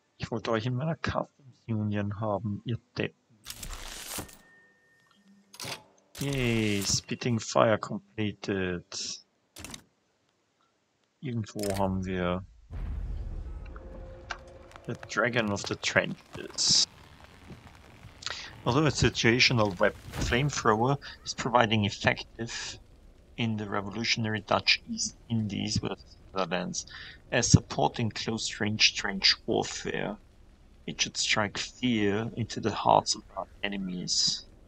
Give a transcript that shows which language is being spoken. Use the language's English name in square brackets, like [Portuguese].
[German] wollte euch in meiner Customs Union haben, ihr Deppen. [English] Yay, Spitting Fire completed. [German] Irgendwo haben wir The Dragon of the Trenches. [English] Although a situational weapon, flamethrower is providing effective in the revolutionary Dutch East Indies with Netherlands as supporting close range trench warfare. It should strike fear into the hearts of our enemies.